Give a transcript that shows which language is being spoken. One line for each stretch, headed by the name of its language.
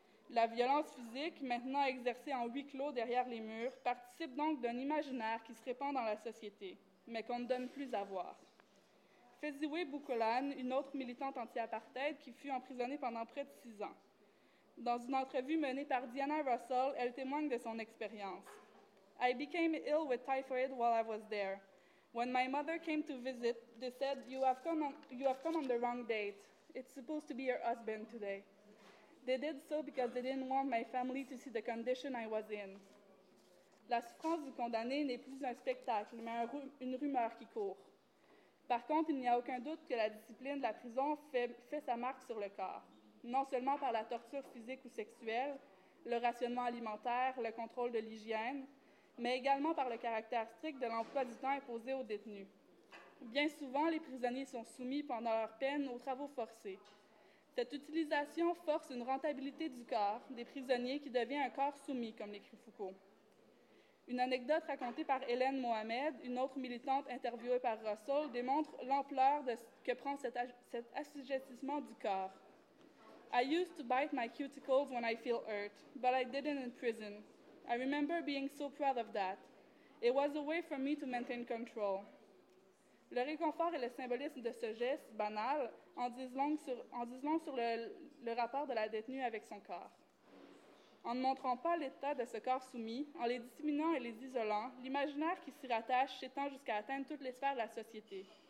French: La violence physique, maintenant exercée en huis clos derrière les murs, participe donc d'un imaginaire qui se répand dans la société, mais qu'on ne donne plus à voir. Fesiwe Bukolan, une autre militante anti-apartheid, qui fut emprisonnée pendant près de 6 ans. Dans une entrevue menée par Diana Russell, elle témoigne de son expérience.
English: « I became ill with typhoid while I was there. When my mother came to visit, they said, you have come on the wrong date. It's supposed to be your husband today. They did so because they didn't want my family to see the condition I was in. »
French: La souffrance du condamné n'est plus un spectacle, mais une rumeur qui court. Par contre, il n'y a aucun doute que la discipline de la prison fait sa marque sur le corps, non seulement par la torture physique ou sexuelle, le rationnement alimentaire, le contrôle de l'hygiène, mais également par le caractère strict de l'emploi du temps imposé aux détenus. Bien souvent, les prisonniers sont soumis pendant leur peine aux travaux forcés. Cette utilisation force une rentabilité du corps des prisonniers qui devient un corps soumis, comme l'écrit Foucault. Une anecdote racontée par Hélène Mohamed, une autre militante interviewée par Russell, démontre l'ampleur que prend cet assujettissement du corps.
English: « I used to bite my cuticles when I feel hurt, but I didn't in prison. I remember being so proud of that. It was a way for me to maintain control. »
French: Le réconfort et le symbolisme de ce geste banal en disent long sur le rapport de la détenue avec son corps. En ne montrant pas l'état de ce corps soumis, en les disséminant et les isolant, l'imaginaire qui s'y rattache s'étend jusqu'à atteindre toutes les sphères de la société.